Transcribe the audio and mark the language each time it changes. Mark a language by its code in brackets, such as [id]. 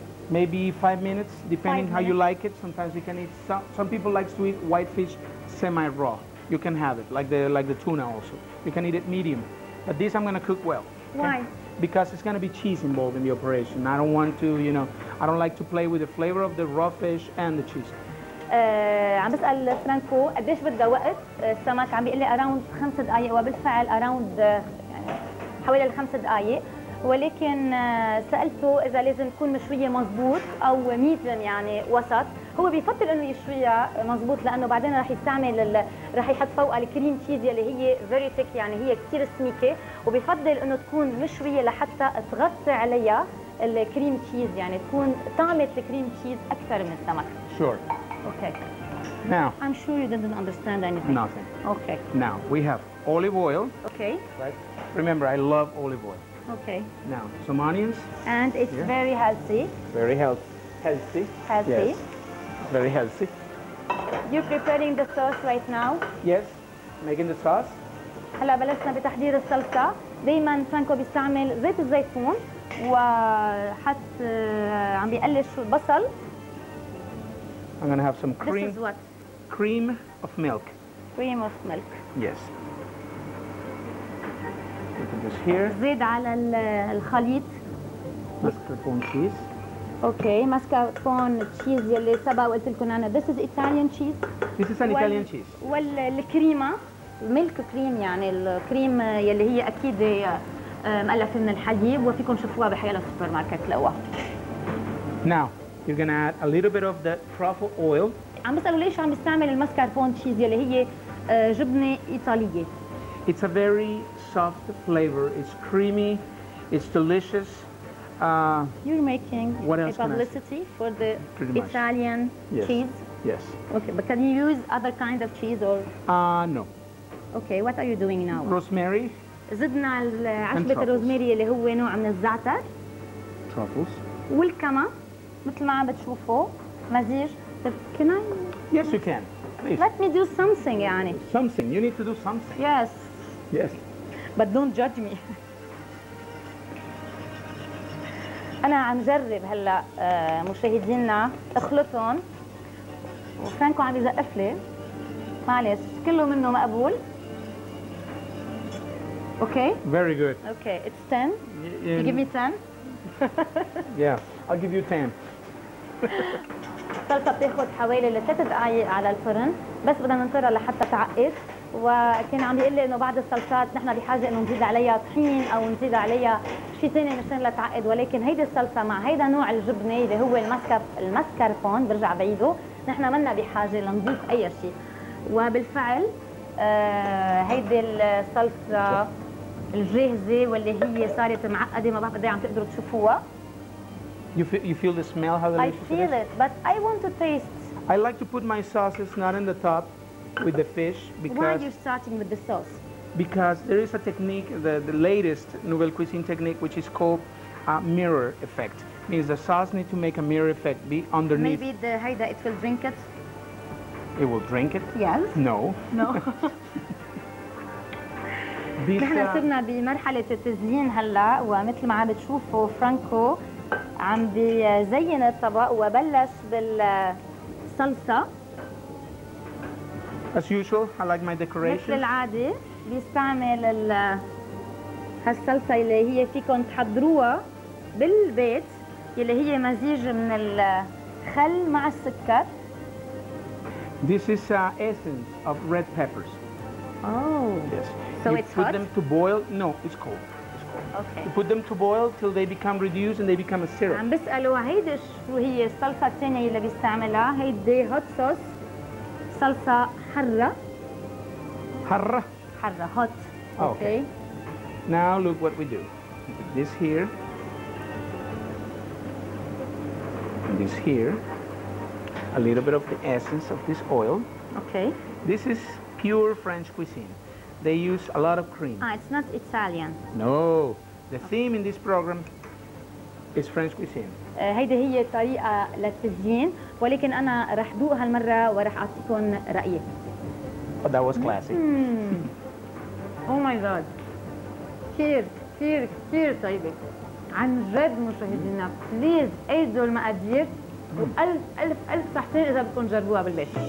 [en] maybe 5 minutes, depending how you like it. Sometimes you can eat some people like to eat white fish semi raw. You can have it like the tuna also. You can eat it medium, but this I'm gonna cook well. Okay? Why? Because it's gonna be cheese involved in the operation. I don't want to, you know, I don't like to play with the flavor of the raw fish and the cheese. [ar] عم بسأل فرانكو قديش بده وقت السمك، عم بيقول لي [en] around [ar] 5 دقائق، وبالفعل around حوالي الخمس دقائق، ولكن سألته إذا لازم تكون مشوية مضبوط أو ميديم يعني وسط، هو بيفضل انه يشويها مزبوط لانه بعدين راح يستعمل راح يحط فوقها الكريم تشيز اللي هي [en] very thick [ar] يعني هي كثير سميكه وبيفضل انه تكون مشويه لحتى تغطي عليها الكريم تشيز يعني تكون طعمه الكريم تشيز اكثر من السمك [en] Sure okay Now, I'm sure you didn't understand anything. Nothing. Okay. Now, we have olive oil. Okay. Right? Remember, I love olive oil. Okay. Now, some onions. And it's yeah. very healthy. Very healthy. Healthy. Healthy. Yes. Very healthy. You're preparing the sauce right now? Yes. Making the sauce. [ar] هلا بلشنا بتحضير الصلصة. دايما فرانكو بيستعمل زيت الزيتون وحط عم بيقلش البصل. [en] I'm going to have some cream. This is what? Cream of milk. Cream of milk. Yes. Put this here. [ar] زيد على الخليط. [en] Mascarpone cheese. Okay, mascarpone cheese [ar] يلي سبق وقلت لكم أنا. [en] This is Italian cheese. This is an Italian cheese. [ar] والكريمة, [en] milk cream [ar] يعني الكريم يلي هي أكيد مألفة من الحليب وفيكم شوفوها بحيال السوبر ماركت لقوا. [en] Now. You're gonna add a little bit of the truffle oil. [ar] عم بسألوا ليش عم بستعمل الماسكاربون تشيز اللي هي جبنة إيطالية. [en] It's a very soft flavor. It's creamy. It's delicious. You're making a publicity for the Italian cheese. Yes. Okay, but can you use other kind of cheese or? No. Okay, what are you doing now? Rosemary. [ar] زدنا عشبة الروزماري اللي هو نوع من الزعتر. [en] Truffles. [ar] والكما. مثل ما عم بتشوفوا مزيج [en] can I yes you can please let me do something [ar] يعني [en] something you need to do something yes yes but don't judge me [ar] انا عم جرب هلا مشاهدينا اخلطهم وفرانكو عم يزقف لي معلش كله منه مقبول [en] okay very good okay it's 10 you give me 10 yeah I'll give you 10 [ar] الصلصة بتاخد حوالي لثلاث دقايق على الفرن بس بدنا ننطرها لحتى تعقد وكان عم بيقول لي انه بعض الصلصات نحن بحاجه انه نزيد عليها طحين او نزيد عليها شيء ثاني مشان لا تعقد ولكن هيدي الصلصه مع هيدا نوع الجبنه اللي هو الماسكاربون برجع بعيده نحن منا بحاجه لنضيف اي شيء وبالفعل هيدي الصلصه الجاهزه واللي هي صارت معقده ما بعرف اذا عم تقدروا تشوفوها [en] You feel the smell, how delicious it is? I feel it, but I want to taste. I like to put my sauces not in the top with the fish because... Why are you starting with the sauce? Because there is a technique, the latest Nouvelle Cuisine technique, which is called a mirror effect. Means the sauce needs to make a mirror effect, be underneath. Maybe the Haida, it will drink it? It will drink it? Yes. No. No. [ar] نحن صرنا بمرحلة التزيين هلا ومثل ما عم بتشوفوا فرانكو عم بزين الطبق وبلش بالصلصة. [en] As usual, I like my decoration. [ar] مثل العادة بيستعمل هالصلصة اللي هي فيكم تحضروها بالبيت اللي هي مزيج من الخل مع السكر. [en] This is essence of red peppers. Oh, yes. So it's hot? You put them to boil? No, it's cold. Okay. You put them to boil till they become reduced and they become a syrup. [ar] عم بسألوا هيدي شو هي الصلصة الثانية اللي بيستعملها؟ هيدي [en] hot sauce [ar] صلصة حرة. حرة؟ حرة [en] Hot. Okay. Now look what we do. Put this here. And this here. A little bit of the essence of this oil. Okay. This is pure French cuisine. They use a lot of cream. Ah, it's not Italian. No. The theme in this program is French cuisine. [ar] هيدي هي طريقة للتزيين ولكن أنا رح ذوق هالمرة ورح أعطيكم رأيي. [en] Oh, that was classic. Oh my God. [ar] كثير كثير كثير طيبة. عن جد مشاهدينا بليز أيدوا المقادير وألف ألف ألف صحتين إذا بدكم تجربوها بالبيت.